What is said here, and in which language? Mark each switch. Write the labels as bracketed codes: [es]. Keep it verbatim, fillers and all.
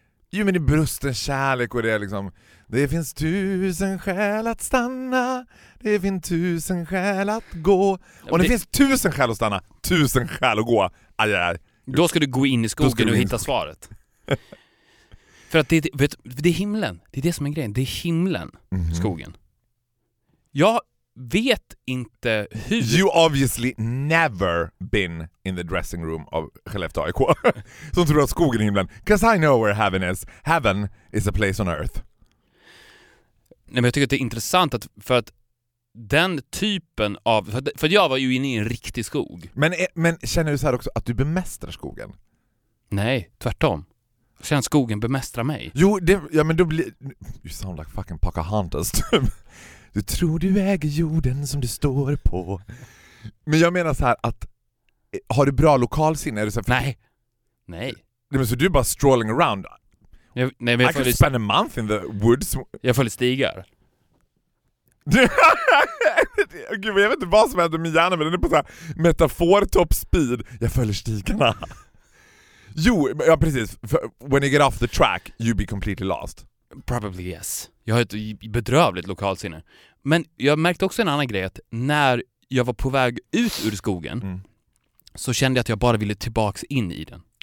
[sv] Jo, men det är brusten kärlek och det är liksom det finns tusen skäl att stanna, det finns tusen skäl att gå. Och det, det finns tusen skäl att stanna, tusen skäl att gå. Aj, aj. Då ska du gå in i skogen och hitta svaret. För att det, vet, det är himlen. Det är det som är grejen. Det är himlen, mm-hmm. skogen. Jag vet inte hur. [en] You obviously never been in the dressing room of Skellefteå A I K. [sv] Som tror att skogen i himlen. [en] 'Cause I know where heaven is. Heaven is a place on earth. [sv] Nej, men jag tycker att det är intressant att för att den typen av för, att, för att jag var ju inne i en riktig skog. Men men känner du så här också att du bemästrar skogen? Nej, tvärtom. Sen skogen bemästrar mig. Jo, det, ja men då blir [en] you sound like fucking Pocahontas. [sv] Du tror du äger jorden som du står på. Men jag menar så här att har du bra lokalsinne? Är du så här, nej. Nej. Nej, men så du är bara [en] strolling around. [sv] Jag, nej, men [en] I could spend a month in the woods. [sv] Jag följer stigar. Gud, jag vet inte vad som händer med hjärnan, men den är på så här metafor [en] top speed. [sv] Jag följer stigarna. Jo, ja precis. [en] When you get off the track, you be completely lost. Probably yes. [sv] Jag har ett bedrövligt lokalsinne. Men jag märkte också en annan grej att när jag var på väg ut ur skogen mm. så kände jag att jag bara ville tillbaks in i den.